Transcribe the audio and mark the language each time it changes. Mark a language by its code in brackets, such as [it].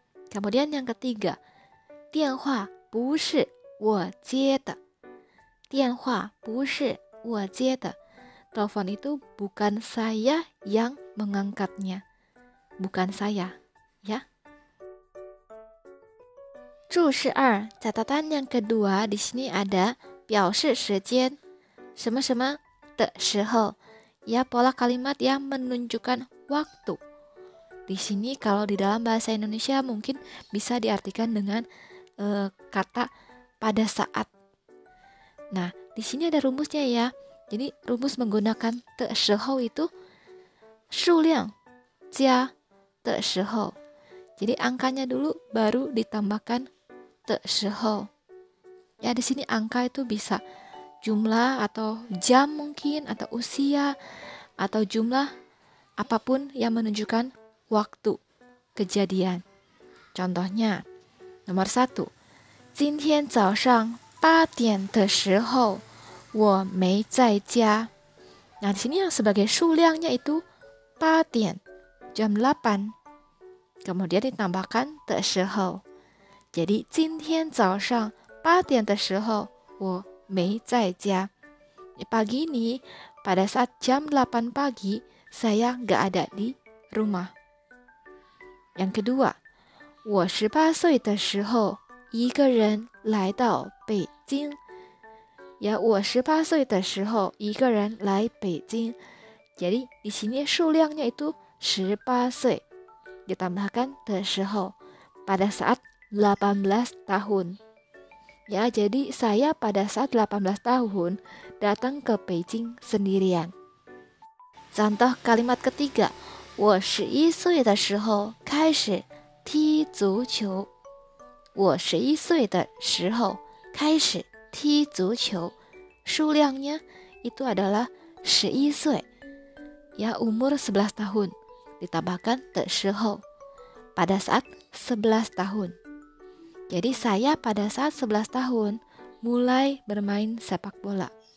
[id] Kemudian yang ketiga, [zh] 电话不是我接的。电话不是我接的。 [id] Telepon itu bukan saya yang mengangkatnya. Bukan saya. Ya. 注释二, catatan yang kedua, di sini ada [zh] 表示时间什么什么的时候, [id] ya, pola kalimat yang menunjukkan waktu. Di sini kalau di dalam bahasa Indonesia mungkin bisa diartikan dengan kata pada saat. Nah, di sini ada rumusnya ya. Jadi rumus menggunakan 的时候 itu 数量加的时候。 Jadi angkanya dulu baru ditambahkan 的时候. Ya, di sini angka itu bisa jumlah atau jam mungkin, atau usia, atau jumlah apapun yang menunjukkan waktu kejadian. Contohnya, nomor satu, [zh] 今天早上八点的时候我没在家。 [id] Nah, di sini yang sebagai 数量nya itu 八点 jam 8 kemudian ditambahkan 的时候 jadi [zh] 今天早上八点的时候我没在家 [id] pagi ini pada saat jam 8 pagi saya gak ada di rumah. Yang kedua, [zh] 我18岁的时候一个人来到北京。 Ya, 我18岁的时候一个人来北京。 [id] Jadi, di sini 数量nya itu 18 岁。 Ditambahkan 的时候 pada saat 18 tahun. Ya, jadi saya pada saat 18 tahun datang ke Beijing sendirian. Contoh kalimat ketiga, [zh] 我11岁的时候开始踢足球。我11岁的时候开始踢足球。 [id] 数量呢 itu adalah 11岁。 Ya, umur 11 tahun. Ditambahkan 的时候 pada saat 11 tahun. Jadi saya pada saat 11 tahun mulai bermain sepak bola.